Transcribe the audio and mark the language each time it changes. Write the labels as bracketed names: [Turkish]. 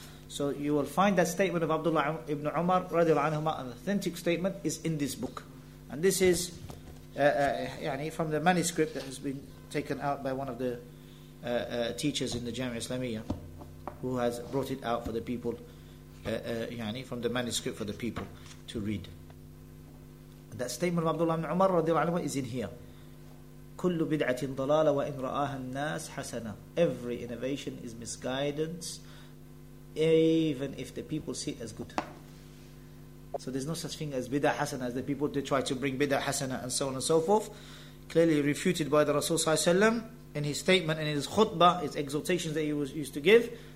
[English] So you will find that statement of Abdullah ibn Umar radiallahu anhu, an authentic statement, is in this book, and this is from the manuscript that has been taken out by one of the teachers in the Jamia Islamiyah, who has brought it out for the people, from the manuscript for the people to read. That statement of Abdullah ibn Umar radiallahu anhu is in here. [Arabic] كل بدعة ضلالة وإن رآها الناس حسنة. [English] Every innovation is misguidance, even if the people see it as good. So there's no such thing as bid'ah hasana, as the people they try to bring bid'ah hasana and so on and so forth. Clearly refuted by the Rasul Sallallahu Alaihi Wasallam in his statement and in his khutbah, his exhortations that he was used to give.